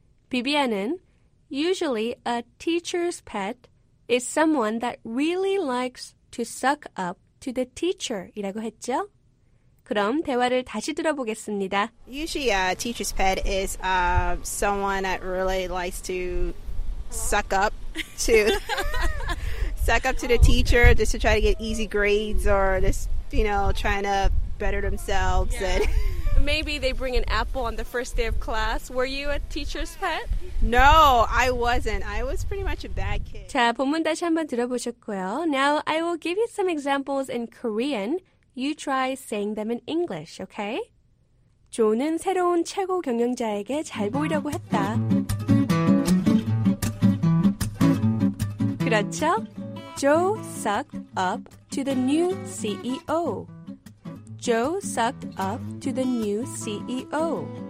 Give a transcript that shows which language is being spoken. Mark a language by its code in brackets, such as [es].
[en] 비비안은 usually a teacher's pet is someone that really likes to suck up to the teacher [ko] 이라고 했죠. 그럼 대화를 다시 들어보겠습니다. [en] Usually a teacher's pet is someone that really likes to suck up to suck up to the teacher just to try to get easy grades or just, you know, trying to better themselves. Yeah. And maybe they bring an apple on the first day of class. Were you a teacher's pet? No, I wasn't. I was pretty much a bad kid. [ko] 자, 본문 다시 한번 들어보셨고요. [en] Now I will give you some examples in Korean. You try saying them in English, okay? [ko] 존은 새로운 최고 경영자에게 잘 보이려고 했다. 그렇죠? [en] Joe sucked up to the new CEO. Joe sucked up to the new CEO.